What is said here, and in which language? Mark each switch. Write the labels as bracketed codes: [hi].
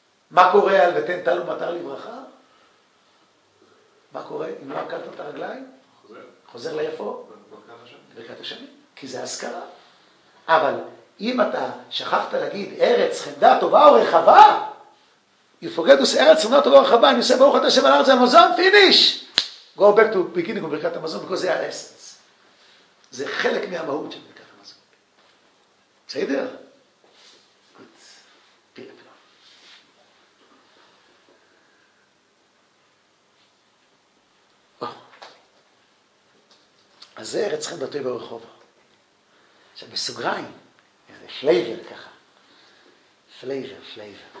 [he] מה קורה על ותן טל ומטר לברכה? מה קורה אם לא עקרת את הרגליים? חוזר. חוזר לאיפה? ברכת השמים. ברכת השמים, כי זה הזכרה. אבל אם אתה שכחת להגיד ארץ חמדה טובה או רחבה, יפוגדוס ארץ חמדה טובה או רחבה, אני עושה ברוך אתה השם על ארץ על מזון, פיניש! [en] Go back to beginning of ברכת המזון, because they are essence. [he] זה חלק מהמהות של ברכת המזון. בסדר? אז זה ארץ חמדה טובה ורחב. עכשיו בסוגריים, איזה פלייבר ככה. פלייבר, פלייבר.